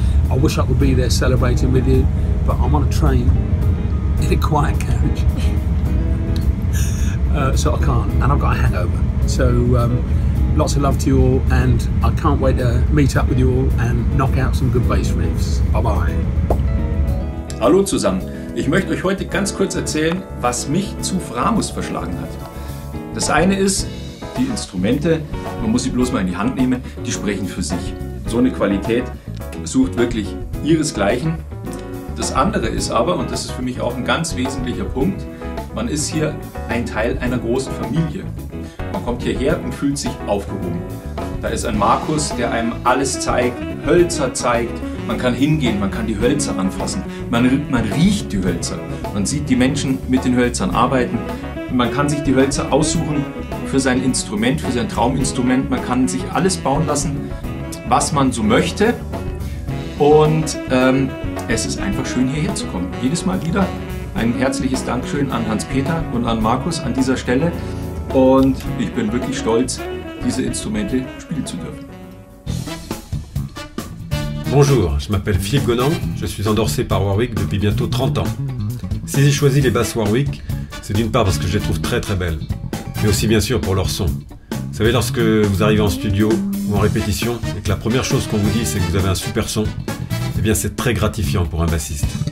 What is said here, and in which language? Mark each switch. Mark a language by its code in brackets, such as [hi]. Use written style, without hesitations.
[en] I wish I could be there celebrating with you, but I'm on a train in a quiet carriage. So I can't, and I've got a hangover. So lots of love to you all, and I can't wait to meet up with you all and knock out some good bass riffs. Bye-bye. [de] Hallo zusammen. Ich möchte euch heute ganz kurz erzählen, was mich zu Framus verschlagen hat. Das eine ist, die Instrumente, man muss sie bloß mal in die Hand nehmen, die sprechen für sich. So eine Qualität sucht wirklich ihresgleichen. Das andere ist aber, und das ist für mich auch ein ganz wesentlicher Punkt, man ist hier ein Teil einer großen Familie. Man kommt hierher und fühlt sich aufgehoben. Da ist ein Markus, der einem alles zeigt, Hölzer zeigt. Man kann hingehen, man kann die Hölzer anfassen. Man riecht die Hölzer. Man sieht die Menschen mit den Hölzern arbeiten. Man kann sich die Hölzer aussuchen für sein Instrument, für sein Trauminstrument. Man kann sich alles bauen lassen, was man so möchte. Und es ist einfach schön, hierher zu kommen. Jedes Mal wieder. Ein herzliches Dankeschön an Hans-Peter und an Markus an dieser Stelle. Und ich bin wirklich stolz, diese Instrumente spielen zu dürfen. [fr] Bonjour, je m'appelle Philippe Gonan, je suis endorsé par Warwick depuis bientôt 30 ans. Si j'ai choisi les basses Warwick, c'est d'une part parce que je les trouve très très belles, mais aussi bien sûr pour leur son. Vous savez, lorsque vous arrivez en studio ou en répétition et que la première chose qu'on vous dit c'est que vous avez un super son, eh bien c'est très gratifiant pour un bassiste.